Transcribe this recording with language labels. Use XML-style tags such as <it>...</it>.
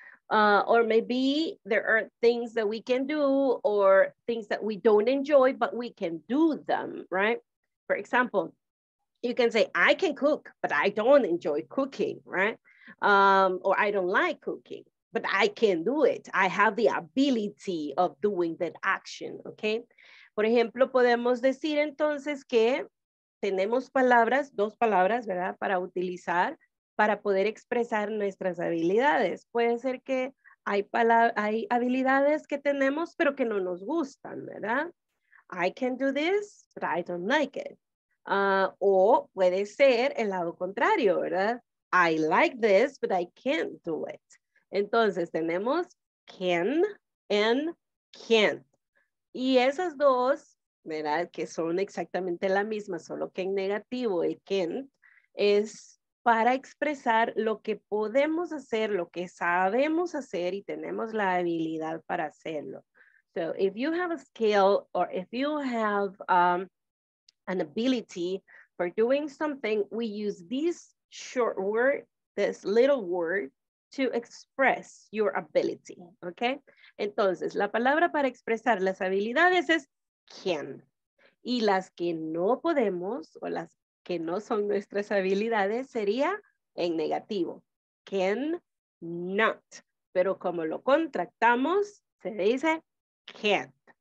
<en>Or maybe there are things that we can do or things that we don't enjoy, but we can do them, right? For example, you can say, I can cook, but I don't enjoy cooking, right? Or I don't like cooking, but I can do it. I have the ability of doing that action, okay?</en> <es>Por ejemplo, podemos decir entonces que tenemos palabras, dos palabras, ¿verdad? Para utilizar, para poder expresar nuestras habilidades. Puede ser que hay habilidades que tenemos, pero que no nos gustan, ¿verdad?</es> <en>I can do this, but I don't like it.</en> <es>O puede ser el lado contrario, ¿verdad?</es> <en>I like this, but I can't do it.</en> <es>Entonces, tenemos can and can't. Y esas dos, ¿verdad? Que son exactamente la misma, solo que en negativo, el can't, es para expresar lo que podemos hacer, lo que sabemos hacer y tenemos la habilidad para hacerlo.</es> <en>So, if you have a skill or if you have an ability for doing something, we use this short word, this little word, to express your ability, okay?</en> <es>Entonces, la palabra para expresar las habilidades es can. Y las que no podemos o las que no son nuestras habilidades, sería en negativo. Can not. Pero como lo contractamos, se dice can't.</es>